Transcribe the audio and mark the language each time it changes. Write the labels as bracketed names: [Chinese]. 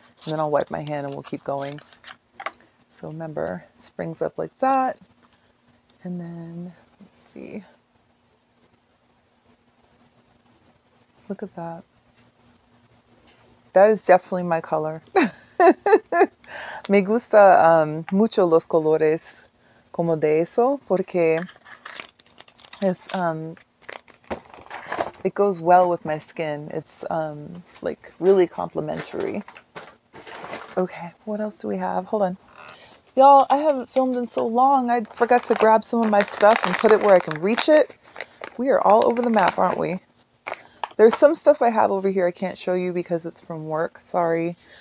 [English] And then I'll wipe my hand and we'll keep going. So remember, springs up like that. And then, let's see. Look at that. That is definitely my color. [Spanish] Me gusta mucho los colores como de eso, porque es, [English] it goes well with my skin. It's like really complimentary. Okay, what else do we have? Hold on. Y'all, I haven't filmed in so long. I forgot to grab some of my stuff and put it where I can reach it. We are all over the map, aren't we? There's some stuff I have over here I can't show you because it's from work. Sorry.